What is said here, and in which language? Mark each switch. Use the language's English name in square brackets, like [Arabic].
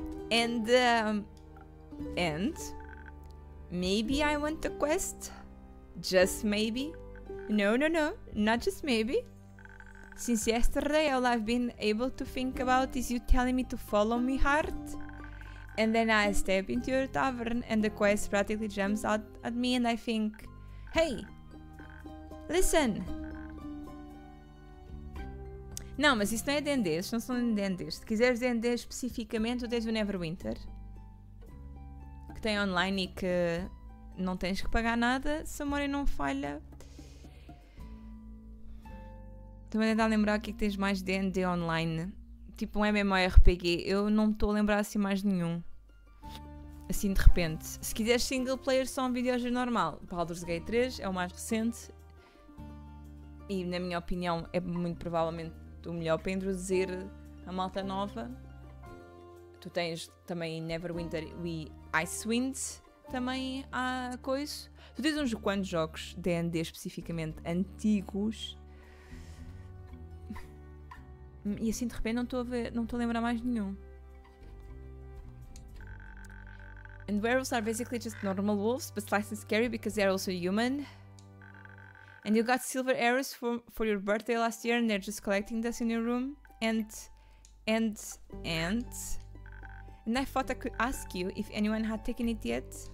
[English] And... Maybe I want the quest? Just maybe. No. Not just maybe. Since yesterday, all I've been able to think about is you telling me to follow me, heart. And then I step into your tavern and the quest practically jumps out at me and I think, hey, listen. [Portuguese] Não, mas isso não é D&D, isso não são D&D. Se quiseres D&D especificamente, tu tens o Neverwinter, que tem online e que não tens que pagar nada, se a memória não falha. Estou a tentar lembrar o que é que tens mais D&D online. Tipo um MMORPG, eu não me estou a lembrar assim mais nenhum. Assim de repente. Se quiseres single player, só um videojogo normal. Baldur's Gate 3 é o mais recente. E na minha opinião é muito provavelmente o melhor para introduzir a malta nova. Tu tens também Neverwinter e Icewind também há coisa. Tu tens uns quantos jogos D&D especificamente antigos? E assim de repente não estou a lembrar mais nenhum. [English] And werewolves are basically just normal wolves, but slightly scary because they are also human. And you got silver arrows for your birthday last year and they're just collecting this in your room. And I thought I could ask you if anyone had taken it yet.